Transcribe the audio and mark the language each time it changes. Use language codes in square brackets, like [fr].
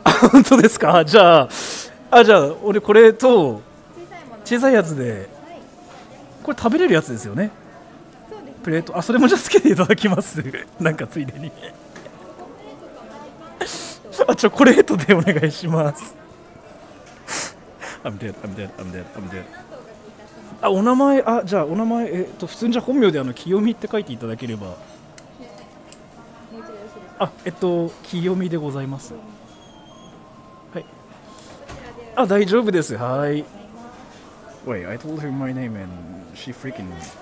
[ja] 本当ですか。じゃあ、あ、じゃあ俺これと小さいやつで、これ食べれるやつですよね。プレート、あ、それもじゃあつけていただきます。なんかついでに。あ、チョコレートでお願いします。 [en] I'm dead, I'm dead, I'm dead, I'm dead. [ja] あ、お名前、あ、じゃあお名前、普通にじゃ本名で、あの、清美って書いていただければ。あ、清美でございます。はい、あ、大丈夫です。はい。 [en] Wait, I told her my name and she freaking me.